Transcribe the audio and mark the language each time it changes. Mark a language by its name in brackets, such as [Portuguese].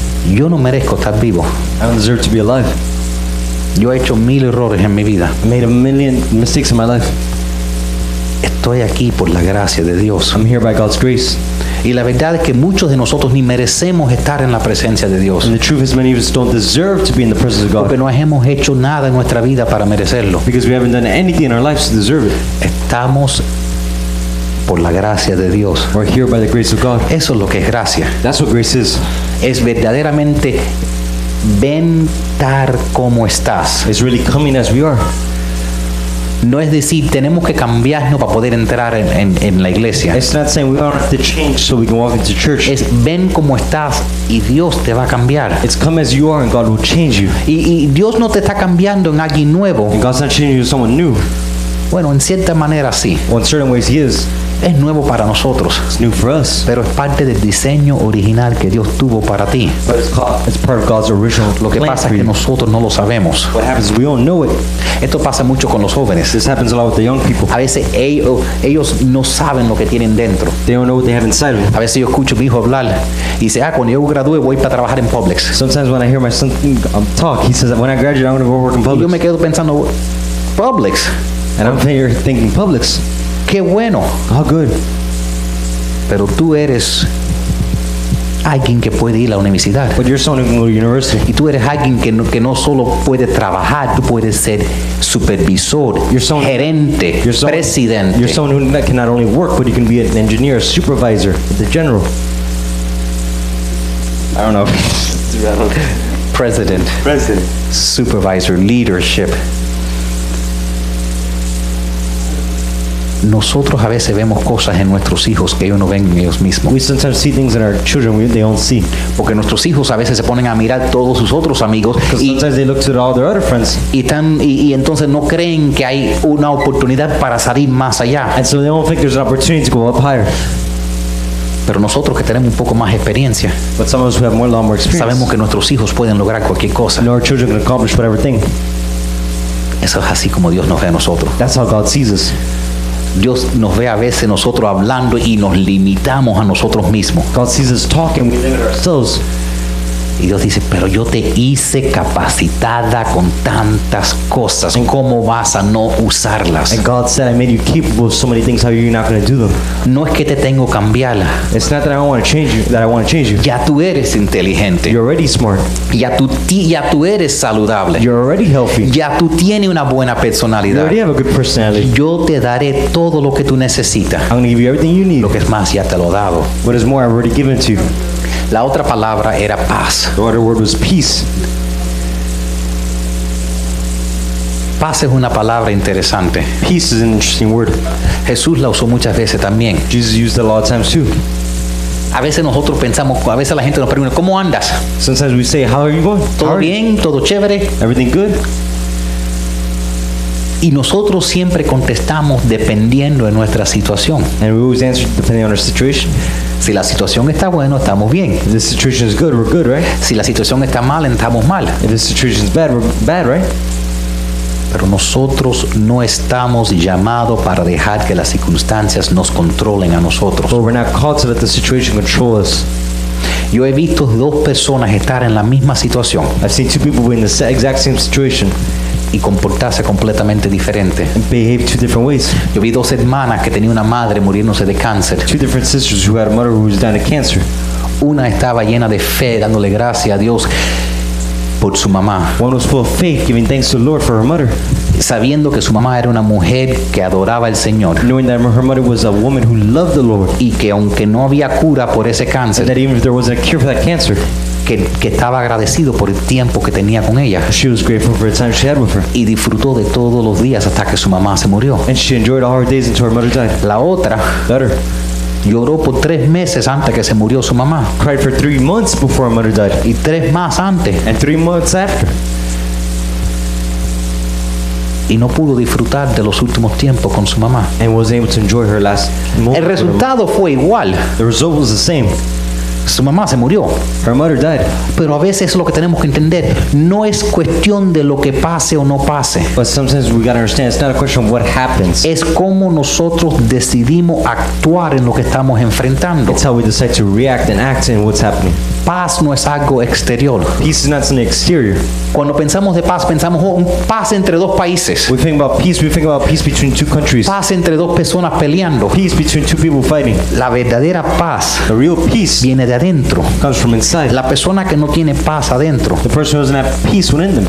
[Spanish] Yo no merezco estar vivo. [English] I don't deserve to be alive. [Spanish] Yo he hecho mil errores en mi vida. [English] I made a million mistakes in my life. [Spanish] Estoy aquí por la gracia de Dios. [English] I'm here by God's grace. [Spanish] Y la verdad es que muchos de nosotros ni merecemos estar en la presencia de Dios. [English] And the truth is many of us don't deserve to be in the presence of God. [Spanish] Porque no hemos hecho nada en nuestra vida para merecerlo. [English] Because we haven't done anything in our lives to deserve it. [Spanish] Estamos por la gracia de Dios. [English] We're here by the grace of God. [Spanish] Eso es lo que es gracia. [English] That's what grace is. [Spanish] Es verdaderamente ven tal como estás. [English] It's really coming as we are. [Spanish] No es decir tenemos que cambiarnos para poder entrar en la iglesia. [English] It's not saying we don't have to change so we can walk into church. [Spanish] Es ven como estás y Dios te va a cambiar. [English] It's come as you are and God will change you. [Spanish] Y Dios no te está cambiando en alguien nuevo. [English] And God's not changing you to someone new. [Spanish] Bueno, en cierta manera sí. [English] Well, in certain ways he is. [Spanish] Es nuevo para nosotros. [English] It's new for us. [Spanish] Pero es parte del diseño original que Dios tuvo para ti. [English] But it's part of God's original plan. [Spanish] Lo que pasa es que nosotros no lo sabemos. [English] What happens is we don't know it. [Spanish] Esto pasa mucho con los jóvenes. [English] This happens a lot with the young people. [Spanish] A veces ellos no saben lo que tienen dentro. [English] They don't know what they have inside of them. [Spanish] A veces yo escucho a mi hijo hablar y dice, cuando yo gradúe voy para trabajar en Publix. [English] Sometimes when I hear my son talk, he says that when I graduate I'm going to go work in Publix. [Spanish] Y yo me quedo pensando, Publix. [English] And I'm here thinking Publix. [Spanish] Qué bueno. [English] How good. [Spanish] Pero tú eres alguien que puede ir a la universidad. [English] But you're someone who can go to university. [Spanish] Y tú eres alguien que no solo puede trabajar, tú puedes ser supervisor, gerente, presidente. [English] You're someone who can not only work, but you can be an engineer, a supervisor, the general. I don't know. President. President. Supervisor, leadership. [Spanish] Nosotros a veces vemos cosas en nuestros hijos que ellos no ven en ellos mismos. [English] We sometimes see things in our children they don't see. [Spanish] Porque nuestros hijos a veces se ponen a mirar todos sus otros amigos. [English] Because sometimes they look to all their other friends. [Spanish] Y entonces no creen que hay una oportunidad para salir más allá. [English] And so they don't think there's an opportunity to go up higher. [Spanish] Pero nosotros que tenemos un poco más experiencia, [English] but some of us who have a lot more experience, [Spanish] sabemos que nuestros hijos pueden lograr cualquier cosa. [English] And our children can accomplish whatever thing. [Spanish] Eso es así como Dios nos ve a nosotros. [English] That's how God sees us. [Spanish] Dios nos ve a veces nosotros hablando y nos limitamos a nosotros mismos. [English] God sees us talking, we limit ourselves. [Spanish] Y Dios dice, pero yo te hice capacitada con tantas cosas. ¿Cómo vas a no usarlas? [English] And God said, I made you capable of so many things. How are you not going to do them? [Spanish] No es que te tengo cambiarla. [English] It's not that I want to change you. That I want to change you. [Spanish] Ya tú eres inteligente. [English] You're already smart. [Spanish] Ya tú eres saludable. [English] You're already healthy. [Spanish] Ya tú tienes una buena personalidad. [English] You already have a good personality. [Spanish] Yo te daré todo lo que tú necesitas. [English] I'm going to give you everything you need. [Spanish] Lo que es más, ya te lo he dado. [English] What is more, I've already given to you. [Spanish] La otra palabra era paz. [English] The other word was peace. [Spanish] Paz es una palabra interesante. [English] Peace is an interesting word. [Spanish] Jesús la usó muchas veces también. [English] Jesus used it a lot of times too. [Spanish] A veces nosotros pensamos, a veces la gente nos pregunta, ¿cómo andas? [English] Sometimes we say, how are you going? [Spanish] Todo bien, todo chévere. [English] Everything good? [Spanish] Y nosotros siempre contestamos dependiendo de nuestra situación. [English] And we always answer depending on our situation. [Spanish] Si la situación está buena, estamos bien. [English] If the situation is good, we're good, right? [Spanish] Si la situación está mal, estamos mal. [English] If the situation is bad, we're bad, right? [Spanish] Pero nosotros no estamos llamados para dejar que las circunstancias nos controlen a nosotros. [English] But we're not called to let the situation control us. [Spanish] Yo he visto dos personas estar en la misma situación. [English] I've seen two people be in the exact same situation. [Spanish] Y comportarse completamente diferente. [English] And behave two different ways. [Spanish] Yo vi dos hermanas que tenía una madre muriéndose de cáncer. [English] Two different sisters who had a mother who was dying of cancer. [Spanish] Una estaba llena de fe, dándole gracias a Dios por su mamá. [English] One was full of faith, giving thanks to the Lord for her mother. [Spanish] Sabiendo que su mamá era una mujer que adoraba al Señor. [English] Knowing that her mother was a woman who loved the Lord. [Spanish] Y que aunque no había cura por ese cáncer. [English] And that even if there wasn't a cure for that cancer. [Spanish] Que estaba agradecido por el tiempo que tenía con ella. [English] She was grateful for the time she had with her. [Spanish] Y disfrutó de todos los días hasta que su mamá se murió. [English] And she enjoyed all her days until her mother died. [Spanish] La otra. [English] Better. [Spanish] Lloró por tres meses antes que se murió su mamá. [English] Cried for 3 months before her mother died. [Spanish] Y tres más antes. [English] And 3 months after. [Spanish] Y no pudo disfrutar de los últimos tiempos con su mamá. [English] And was able to enjoy her last moments. [Spanish] El resultado fue igual. [English] The result was the same. [Spanish] Su mamá se murió. [English] Her mother died. [Spanish] Pero a veces es lo que tenemos que entender. No es cuestión de lo que pase o no pase. [English] But sometimes we gotta understand it's not a question of what happens. [Spanish] Es cómo nosotros decidimos actuar en lo que estamos enfrentando. [English] It's how we decide to react and act in what's happening. [Spanish] Paz no es algo exterior. [English] Peace is not something exterior. [Spanish] Cuando pensamos de paz, pensamos en paz entre dos países. [English] We think about peace. We think about peace between two countries. [Spanish] Paz entre dos personas peleando. [English] Peace between two people fighting. [Spanish] La verdadera paz. [English] The real peace. [Spanish] Viene de adentro. [English] Comes from inside. [Spanish] La persona que no tiene paz adentro. [English] The person who doesn't have peace within them.